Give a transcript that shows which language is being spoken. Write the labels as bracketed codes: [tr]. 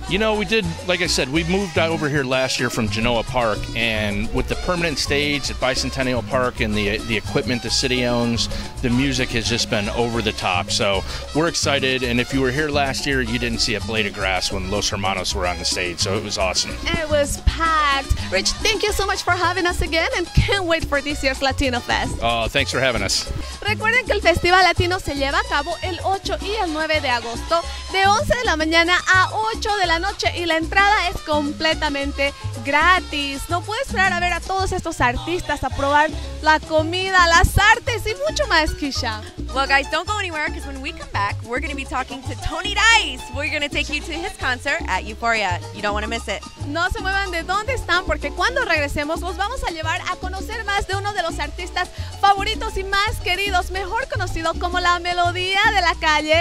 [en] You know, we did, like I said, we moved over here last year from Genoa Park, and with the permanent stage at Bicentennial Park and the equipment the city owns, the music has just been over the top. So we're excited, and if you were here last year, you didn't see a blade of grass when Los Hermanos were on the stage, so it was awesome. It was packed. Rich, thank you so much for having us again, and can't wait for this year's Latino Fest. Thanks for having us. [es] Recuerden que el Festival Latino se lleva a cabo el 8 y el 9 de agosto, de 11 de la mañana a 8 de la noche, y la entrada es completamente gratis. No puedes esperar a ver a todos estos artistas, a probar la comida, las artes y mucho más, Kisha. [en] Well, guys, don't go anywhere, because when we come back, we're going to be talking to Tony Dize. We're going to take you to his concert at Euphoria. You don't want to miss it. [es] No se muevan de donde están, porque cuando regresemos, los vamos a llevar a conocer más de uno de los artistas favoritos y más queridos, mejor conocido como la melodía de la calle.